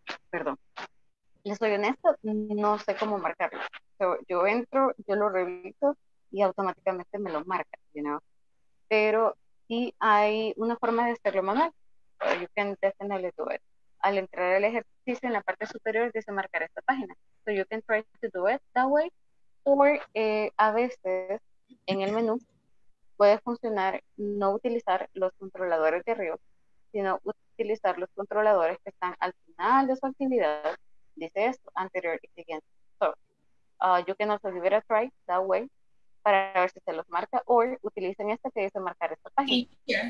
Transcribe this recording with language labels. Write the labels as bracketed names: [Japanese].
[Spanish] Perdón. Les soy honesta, no sé cómo marcarlo. So, yo entro, yo lo reviso y automáticamente me lo marca, [English] you know. [Spanish] Pero sí hay una forma de hacerlo manual. [English] So, you can definitely do it. [Spanish] Al entrar al ejercicio, en la parte superior dice marcar esta página. [English] So you can try to do it that way. [Spanish] Or a veces en el menú puede funcionar no utilizar los controladores de arriba, sino utilizar los controladores que están al final de su actividad. Dice esto, anterior y siguiente. [English] So, you can also give it a try that way [Spanish] para ver si se los marca, o utilicen esta que dice marcar esta página. Yeah.